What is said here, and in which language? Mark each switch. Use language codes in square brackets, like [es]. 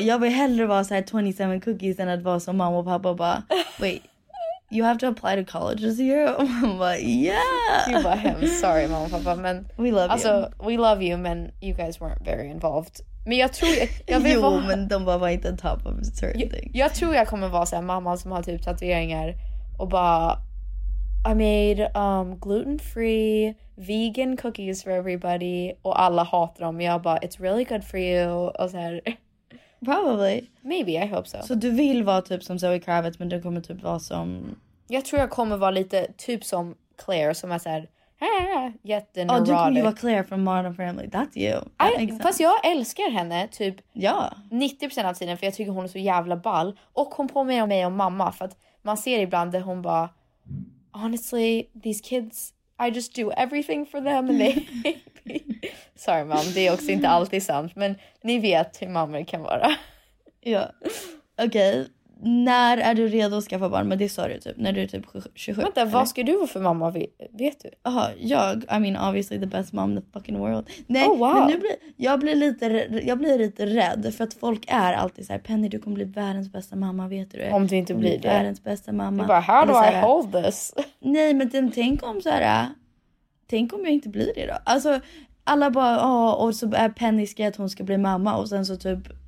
[sv] Jag vill hellre vara så här 27 cookies än att vara som mamma och pappa och bara, [en] wait, you have to apply to college this year? [sv] Och man bara, yeah. You bara, [en] I'm sorry [sv] mamma och pappa, men [en] we love [sv] alltså, [en] you. Alltså, we love you, men you guys weren't very involved. [sv] Men jag tror jag vill vara... Jo, men de bara var inte [en] top of certain things. [sv] Jag tror jag kommer vara så här mamma som har typ tatueringar och bara, [en] I made gluten-free vegan cookies for everybody [sv] och alla hatar dem. Jag bara, [en] it's really good for you. [sv] Och så här, [en] probably. Maybe, I hope so. [sv] Så du vill vara typ som Zoe Kravitz, men du kommer typ vara som... Jag tror jag kommer vara lite typ som Claire, som är såhär, jätteneurotic. Oh, du kommer ju vara Claire from Modern Family. [en] That's you. [sv] Fast jag älskar henne typ [en] yeah. [sv] 90% av tiden, för jag tycker hon är så jävla ball. Och hon påminner mig om mamma, för att man ser ibland där hon bara, [en] honestly, these kids... I just do everything for them and they hate me. Sorry mom, [sv] det är också inte alltid sant. Men ni vet hur mamma kan vara. Ja. Okej, när är du redo att skaffa barn? Men det sa du typ, när du är typ 27. Vänta, eller? Vad ska du vara för mamma, vet du? Aha, jag, [en] I mean obviously the best mom in the fucking world. [sv] Nej, [en] oh, wow. [sv] Men nu blir jag lite rädd. För att folk är alltid så här, Penny, du kommer bli världens bästa mamma, vet du? Om du inte blir det. Världens bästa mamma. Du bara, [en] how do I hold this? [sv] Nej, men den, tänk om jag inte blir det då? Alltså, alla bara, och så är Penny skrädd att hon ska bli mamma. Och sen så typ...